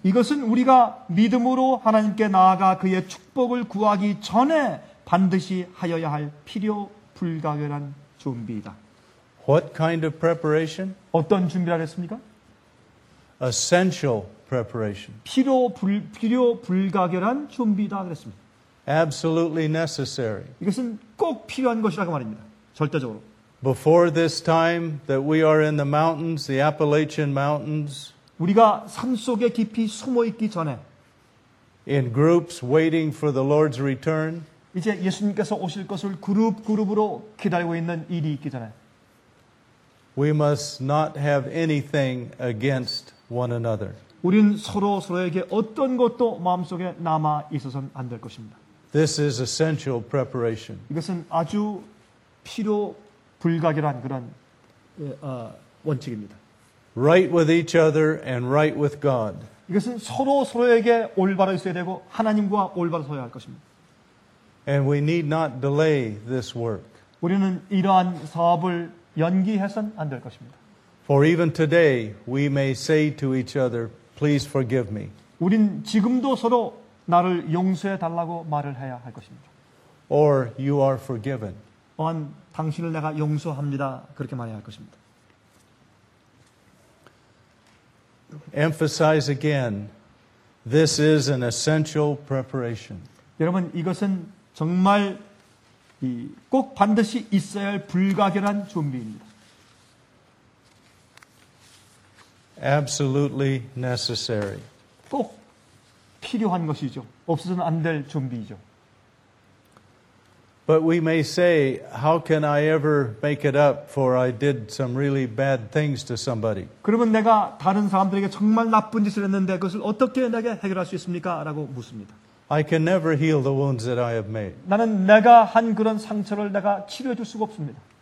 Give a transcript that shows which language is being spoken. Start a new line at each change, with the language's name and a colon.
Korean: 이것은 우리가 믿음으로 하나님께 나아가 그의 축복을 구하기 전에 반드시 하여야 할 필요 불가결한 준비이다.
English: What kind of preparation?
Korean: 어떤 준비를 했습니까?
English: Essential preparation.
Korean: 필요 불가결한 준비다 그랬습니다.
English: Absolutely necessary.
Korean: 이것은 꼭 필요한 것이라고 말입니다. 절대적으로.
English: Before this time that we are in the mountains, the Appalachian Mountains.
Korean: 우리가 산 속에 깊이 숨어 있기 전에
English: in groups waiting for the Lord's return.
Korean: 이제 예수님께서 오실 것을 그룹 그룹으로 기다리고 있는 일이 있기 전에
English: We must not have anything against one another.
Korean: 우린 서로 서로에게 어떤 것도 마음속에 남아 있어서는 안 될 것입니다.
English: This is essential preparation.
Korean: 이것은 아주 필요 불가결한 그런 원칙입니다.
English: Right with each other and right with God.
Korean: 이것은 서로 서로에게 올바로 있어야 되고 하나님과 올바로 서야 할 것입니다.
English: And we need not delay this work.
Korean: 우리는 이러한 사업을 연기해서는 안 될 것입니다.
English: For even today, we may say to each other, "Please forgive me."
Korean: 우린 지금도 서로 나를 용서해 달라고 말을 해야 할 것입니다.
English: Or you are forgiven.
Korean: 또한 당신을 내가 용서합니다. 그렇게 말해야 할 것입니다.
English: Emphasize again, this is an essential preparation.
Korean: 여러분 이것은 정말 꼭 반드시 있어야 할 불가결한 준비입니다.
English: Absolutely necessary.
Korean: 꼭 필요한 것이죠. 없어서는 안 될 준비이죠.
English: But we may say, how can I ever make it up for I did some really bad things to somebody?
Korean: 그러면 내가 다른 사람들에게 정말 나쁜 짓을 했는데 그것을 어떻게 내가 해결할 수 있습니까? 라고 묻습니다.
English: I can never heal the wounds that I have made.
Korean: 나는 내가 한 그런 상처를 내가 치료해 줄 수가 없습니다.